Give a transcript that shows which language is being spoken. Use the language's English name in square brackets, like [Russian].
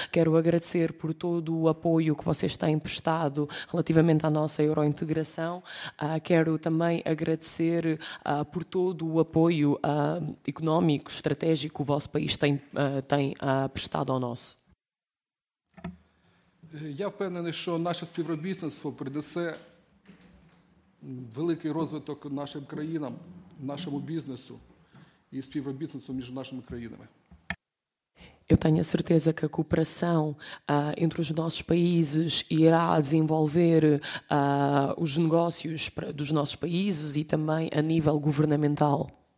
[Portuguese] Quero agradecer por todo o apoio que vocês têm prestado relativamente à nossa eurointegração. Quero também agradecer por todo o apoio económico, estratégico que o vosso país tem prestado ao nosso. [Ukrainian] Я впевнений, що наше співробітництво придасе великий розвиток нашим країнам, нашому бізнесу і співробітництву між нашими країнами. [Portuguese] Eu tenho a certeza que a cooperação entre os nossos países irá desenvolver os negócios dos nossos países e também a nível governamental.